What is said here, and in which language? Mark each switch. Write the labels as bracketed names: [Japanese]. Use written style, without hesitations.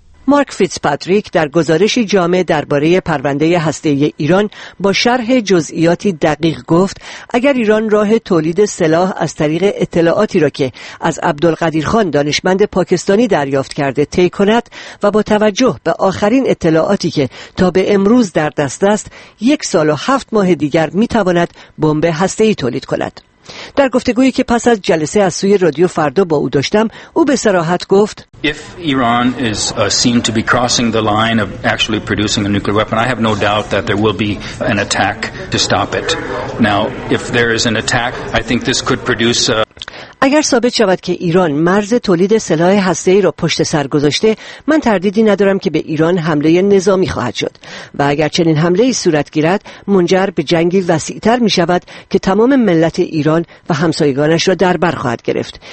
[Persian] مارک فیتزپاتریک در گزارش جامع درباره پرونده هسته‌ای ایران با شرح جزئیاتی دقیق گفت اگر ایران راه تولید سلاح از طریق اطلاعاتی را که از عبدالقادرخان دانشمند پاکستانی دریافت کرده طی کند و با توجه به آخرین اطلاعاتی که تا به امروز در دست است 1 سال و 7 ماه دیگر می‌تواند بمب هسته‌ای تولید کند. در گفتگویی که پس از جلسه از سوی رادیو فردا با او داشتم او به صراحت گفت [English] If Iran is seen to be crossing the line of actually producing a nuclear weapon, I have no doubt that there will be an attack to stop it. Now, if there is an attack, I think this could produce [Persian] اگر ثابت شود که ایران مرز تولید سلاح هسته‌ای را پشت سر گذاشته، من تردیدی ندارم که به ایران حمله نظامی خواهد شد و اگر چنین حمله‌ای صورت گیرد، منجر به جنگی وسیع‌تر می‌شود که تمام ملت ایران و همسایگانش را در بر خواهد گرفت.